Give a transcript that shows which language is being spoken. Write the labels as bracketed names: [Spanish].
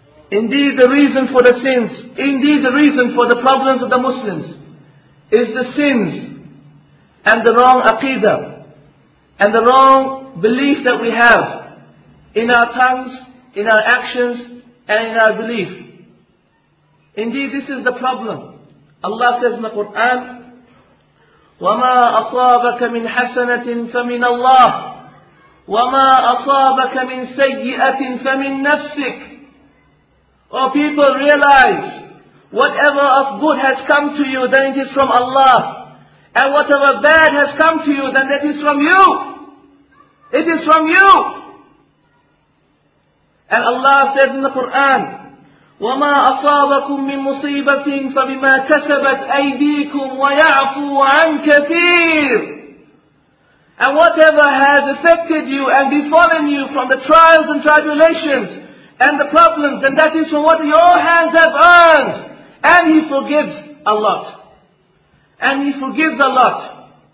[English] Indeed, the reason for the sins, indeed the reason for the problems of the Muslims is the sins and the wrong aqidah and the wrong belief that we have in our tongues, in our actions, and in our belief. Indeed, this is the problem. [Arabic] Allah says in the Quran, وَمَا أَصَابَكَ مِنْ حَسَنَةٍ فَمِنَ اللَّهِ وَمَا أَصَابَكَ مِنْ سَيِّئَةٍ فَمِنْ نَفْسِكَ. [English] Oh people, realize, whatever of good has come to you, then it is from Allah. And whatever bad has come to you, then that is from you. It is from you. [Arabic] And Allah says in the Quran, وَمَا أَصَابَكُم مِّن مُصِيبَةٍ فَبِمَا كَسَبَتْ أَيْدِيكُمْ وَيَعْفُو عَنْ كَثِيرٍ. [English] And whatever has affected you and befallen you from the trials and tribulations and the problems, then that is from what your hands have earned. And He forgives a lot. And He forgives a lot.